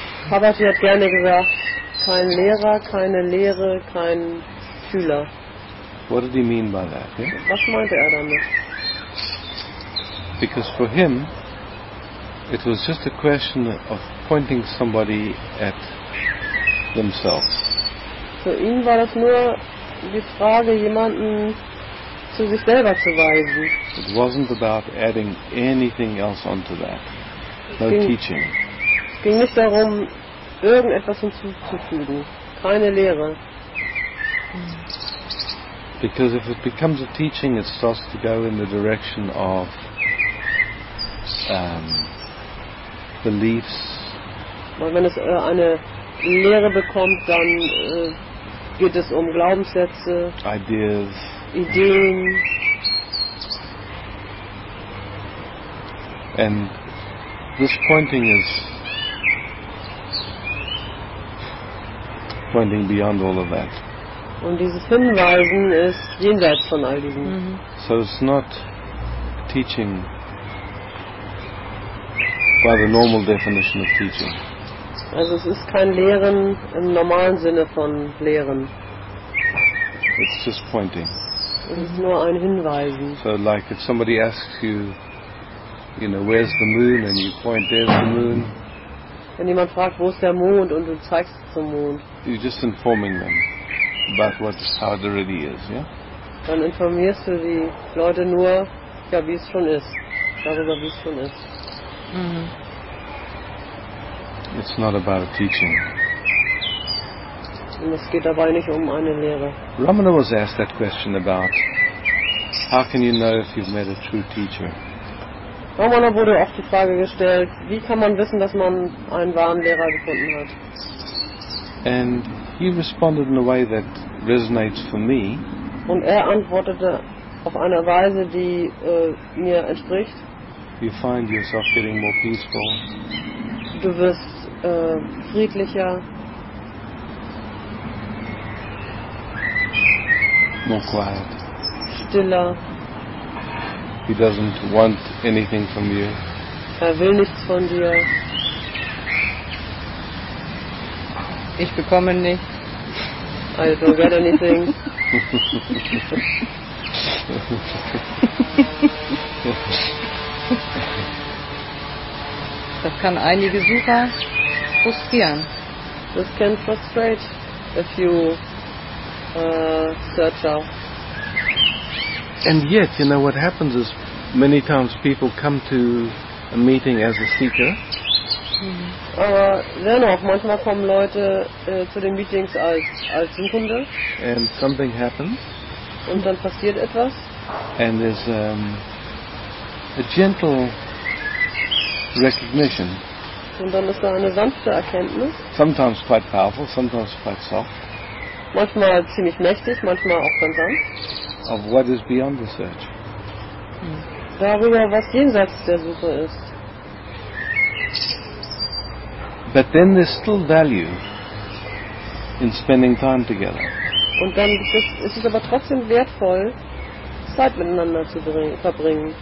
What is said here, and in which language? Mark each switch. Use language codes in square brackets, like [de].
[de] Papaji hat gerne gesagt, kein Lehrer, keine Lehre, kein Schüler. [en] What did he mean by that? Yeah? [de] Was meinte er damit? [en] Because for him, it was just a question of pointing somebody at themselves. [de] Für ihn war das nur die Frage, jemanden zu sich selber zu weisen. [en] It wasn't about adding anything else onto that. No teaching. [de] Es ging nicht darum, irgendetwas hinzuzufügen. Keine Lehre. [en] Because if it becomes a teaching, it starts to go in the direction of beliefs. [de] Weil wenn es eine Lehre bekommt, dann geht es um Glaubenssätze, [en] ideas, [de] Ideen. [en] And this pointing is pointing beyond all of that. [de] Und dieses Hinweisen ist jenseits von all diesem. Mm-hmm. [en] So it's not teaching by the normal definition of teaching. [de] Also es ist kein Lehren im normalen Sinne von Lehren. [en] It's just pointing. [de] Es ist nur ein Hinweisen. [en] So like if somebody asks you, you know, where's the moon, and you point, there's the moon. [de] Wenn jemand fragt, wo ist der Mond, und du zeigst zum Mond. [en] You're just informing them about what how it already is, yeah? [de] Dann informierst du die Leute nur, ja, wie es schon ist. Darüber, wie es schon ist. [en] It's not about a teaching. [de] Und es geht dabei nicht um eine Lehre. [en] Ramana was asked that question about how can you know if you've met a true teacher? [de] Ramana wurde oft die Frage gestellt, wie kann man wissen, dass man einen wahren Lehrer gefunden hat? [en] And he responded in a way that resonates for me. [de] Und er antwortete auf eine Weise, die mir entspricht. [en] You find yourself getting more peaceful. [de] Du wirst friedlicher. [en] More quiet. [de] Stiller. [en] He doesn't want anything from you. [de] Er will nichts von dir. Ich bekomme nichts. [en] I don't get anything. [de] Das kann einige Sucher frustrieren. [en] This can frustrate a few searcher. And yet, you know, what happens is many times people come to a meeting as a seeker. [de] Aber dennoch, manchmal kommen Leute zu den Meetings als Suchende. [en] And something happens. [de] Und dann passiert etwas. [en] And there's a gentle recognition. [de] Und dann ist da eine sanfte Erkenntnis. [en] Sometimes quite powerful, sometimes quite soft. [de] Manchmal ziemlich mächtig, manchmal auch ganz sanft. [en] Of what is beyond the search. [de] Darüber, was jenseits der Suche ist. [en] But then there's still value in spending time together. [de] Und dann ist es aber trotzdem wertvoll, Zeit miteinander zu verbringen.